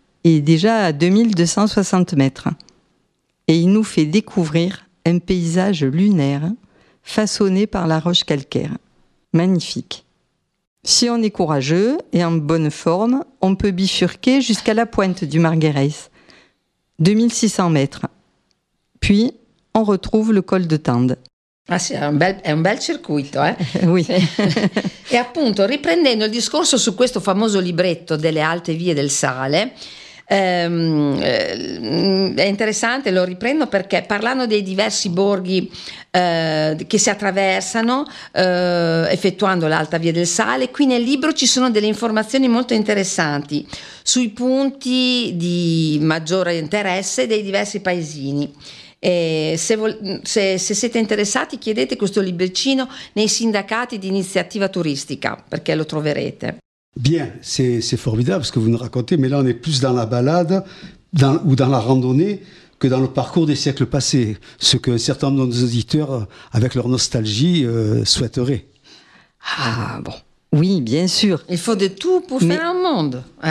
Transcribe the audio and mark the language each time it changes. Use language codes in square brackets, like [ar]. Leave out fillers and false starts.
[fr] est déjà à 2260 mètres. Et il nous fait découvrir un paysage lunaire façonné par la roche calcaire. Magnifique. Si on est courageux et en bonne forme, on peut bifurquer jusqu'à la pointe du Margueres, 2600 mètres. Puis, on retrouve le col de Tende. Ah, c'est un bel circuit, hein? Oui. [it] Et appunto, riprendendo il discorso su questo famoso libretto delle alte vie del sale, è interessante, lo riprendo perché parlando dei diversi borghi che si attraversano effettuando l'alta via del sale, qui nel libro ci sono delle informazioni molto interessanti sui punti di maggiore interesse dei diversi paesini. E se siete interessati, chiedete questo libricino nei sindacati di iniziativa turistica perché lo troverete. [fr] Bien, c'est formidable ce que vous nous racontez, mais là on est plus dans la balade ou dans la randonnée que dans le parcours des siècles passés, ce que certains de nos auditeurs, avec leur nostalgie, souhaiteraient. Ah bon, oui, bien sûr. Il faut de tout pour faire un monde.